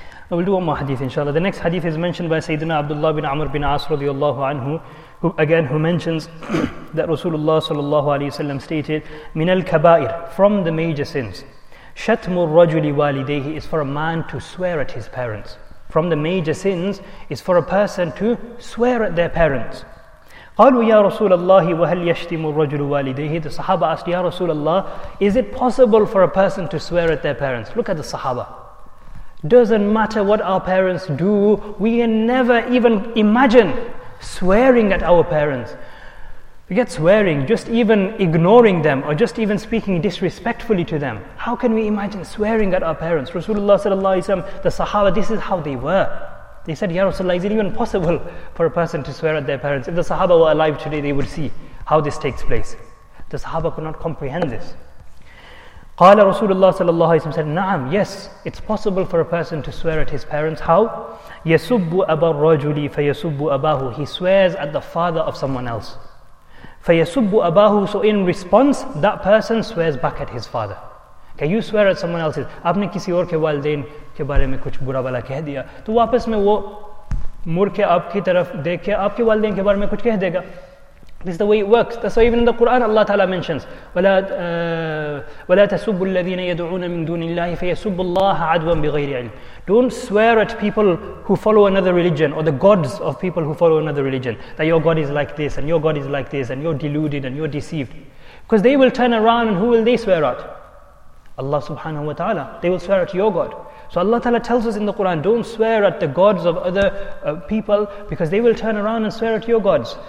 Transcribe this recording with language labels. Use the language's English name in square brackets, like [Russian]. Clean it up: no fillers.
[English] I will do one more hadith, inshallah. The next hadith is mentioned by Sayyidina Abdullah bin Amr bin As radiyallahu anhu, who mentions that Rasulullah sallallahu alayhi wa sallam stated, [Arabic] min al-kabair, [English] from the major sins, [Arabic] shatmu rajuli walidayhi, [English] is for a man to swear at his parents. From the major sins is for a person to swear at their parents. [Arabic] قالوا يا رسول الله وهل يشتم الرجل والديه. [English] The Sahaba asked, ya Rasulullah, is it possible for a person to swear at their parents? Look at the Sahaba. Doesn't matter what our parents do, we can never even imagine swearing at our parents. Forget swearing, just even ignoring them, or just even speaking disrespectfully to them. How can we imagine swearing at our parents? Rasulullah sallallahu alaihi wasallam, the Sahaba, this is how they were. They said, ya Rasulullah, is it even possible for a person to swear at their parents? If the Sahaba were alive today, they would see how this takes place. The Sahaba could not comprehend this. [Arabic] قال رسول الله صلى الله عليه وسلم [English] said, نعم, yes, it's possible for a person to swear at his parents. How? [Arabic] يَسُبُّ أَبَى الرَّجُلِ فَيَسُبُّ أَبَاهُ. [English] He swears at the father of someone else. [Arabic] فَيَسُبُّ أَبَاهُ. [English] So in response, that person swears back at his father. Can you swear at someone else's? [Hindi] आपने किसी और के वालदेन के बारे में कुछ बुरा भला कह दिया तो वापस में वो मुड़ के आपकी तरफ देख के आपके वालदेन के बारे में कुछ कह देगा. [English] This is the way it works. That's why even in the Quran, Allah Ta'ala mentions, [Arabic] وَلَا تَسُبُّ الَّذِينَ يَدْعُونَ مِن دُونِ اللَّهِ فَيَسُبُّ اللَّهَ عَدْوًا بِغَيْرِ عِلْمٍ. [English] Don't swear at people who follow another religion or the gods of people who follow another religion that your God is like this and your God is like this and you're deluded and you're deceived. Because they will turn around and who will they swear at? Allah Subhanahu Wa Ta'ala. They will swear at your God. So Allah Ta'ala tells us in the Quran, don't swear at the gods of other people because they will turn around and swear at your gods.